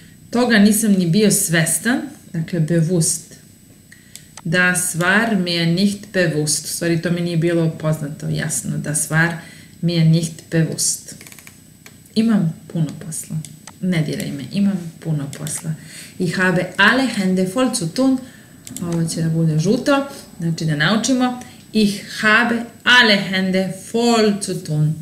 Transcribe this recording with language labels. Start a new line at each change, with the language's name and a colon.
Serbian: Toga nisam ni bio svestan, dakle, bewusst.
German: Das war mir nicht bewusst.
Serbian: U stvari, to mi nije bilo poznato, jasno.
German: Das war mir nicht bewusst.
Serbian: Imam puno posla. Ne diraj me, imam puno posla.
German: Ich habe alle Hände voll zu tun.
Serbian: Ovo će da bude žuto, znači da naučimo.
German: Ich habe alle Hände voll zu tun.